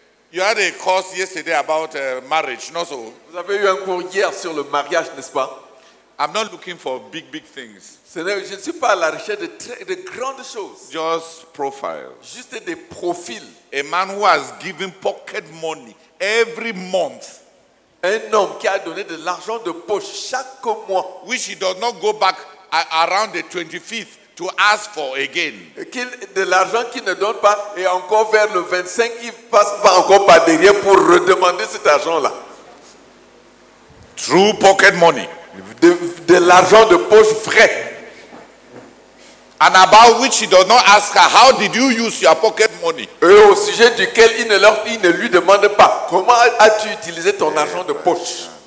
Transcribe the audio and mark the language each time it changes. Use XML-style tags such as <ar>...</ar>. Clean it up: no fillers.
<en>You had a course yesterday about marriage, not so.</en> <fr>Vous avez eu un cours hier sur le mariage, n'est-ce pas?</fr> <en>I'm not looking for big things.</en> <fr>Ce n'est, je ne suis pas à la recherche de grandes choses.</fr> <en>Just profile.</en> <fr>Juste des profils.</fr> <en>A man who has given pocket money every month.</en> <fr>Un homme qui a donné de l'argent de poche chaque mois.</fr> <en>Which he does not go back around the 25th. To ask for again.</en> <fr>De l'argent qu'il ne donne pas et encore vers le 25, il passe pas encore par derrière pour redemander cet argent-là.</fr> <en>True pocket money.</en> <fr>De l'argent de poche frais.</fr> <en>And about which he does not ask her, how did you use your pocket money?</en> <fr>Et au sujet duquel il ne lui demande pas, comment as-tu utilisé ton argent de poche?</fr>